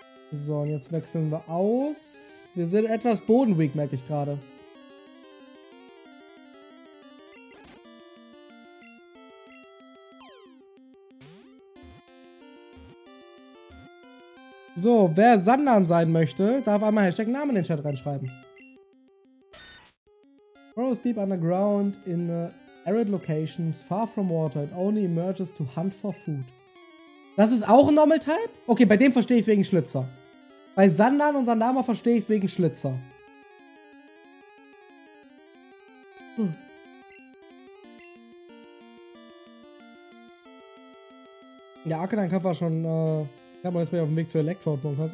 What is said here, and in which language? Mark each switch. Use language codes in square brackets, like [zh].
[de] So, und jetzt wechseln wir aus. Wir sind etwas Boden-weak, merke ich gerade. So, wer Sandan sein möchte, darf einmal Hashtag Namen in den Chat reinschreiben. [en] Burrows deep underground in arid locations, far from water, it only emerges to hunt for food. [de] Das ist auch ein Normal-Type? Okay, bei dem verstehe ich es wegen Schlitzer. Bei Sandan und Sandama verstehe ich es wegen Schlitzer. Ja, Arcanine-Kampf war schon, ich glaube, jetzt bin ich auf dem Weg zu Electrode-Bunkers.